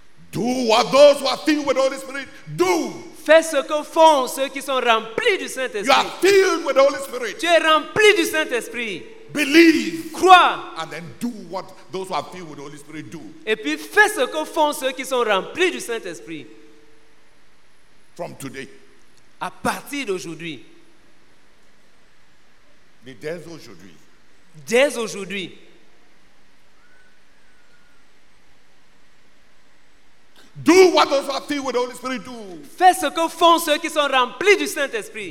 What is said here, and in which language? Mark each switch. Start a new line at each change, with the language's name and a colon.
English: Do what those who are filled with the Holy Spirit do.
French: Fais ce que font ceux qui sont remplis du Saint-Esprit.
English: You are filled with the Holy Spirit.
French: Tu es rempli du Saint-Esprit.
English: Believe.
French: Crois.
English: And then do what those who are filled with the Holy Spirit do.
French: Et puis fais ce que font ceux qui sont remplis du Saint-Esprit.
English: From today.
French: À partir d'aujourd'hui. Dès aujourd'hui. Dès aujourd'hui.
English: Do what those who are filled with the Holy Spirit do.
French: Fais ce que font ceux qui sont remplis du Saint-Esprit.